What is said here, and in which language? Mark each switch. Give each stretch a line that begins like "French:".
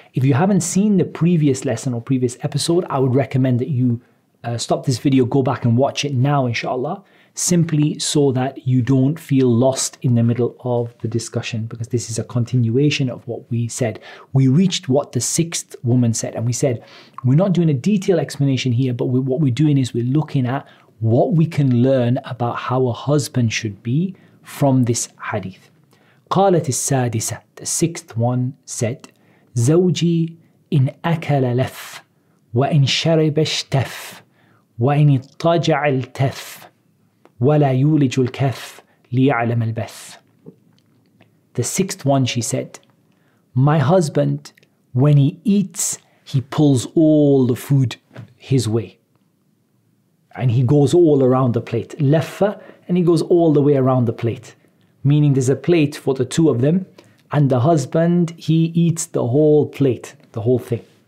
English: If you haven't seen the previous lesson or previous episode, I would recommend that you stop this video, go back and watch it now, inshallah, simply so that you don't feel lost in the middle of the discussion, because this is a continuation of what we said. We reached what the sixth woman said, and we said, we're not doing a detailed explanation here, but what we're doing is we're looking at what we can learn about how a husband should be from this hadith.
Arabic: قالت السادسة,
English: the sixth one said,
Arabic: زوجي إن أكل لف وإن شرب اشتف وإن اضطجع التف وَلَا يُولِجُ الْكَفْ لِيَعْلَمَ الْبَثْ.
English: The sixth one, she said, my husband, when he eats, he pulls all the food his way. And he goes all around the plate. لَفَّ, and he goes all the way around the plate. Meaning there's a plate for the two of them, and the husband, he eats the whole plate, the whole thing.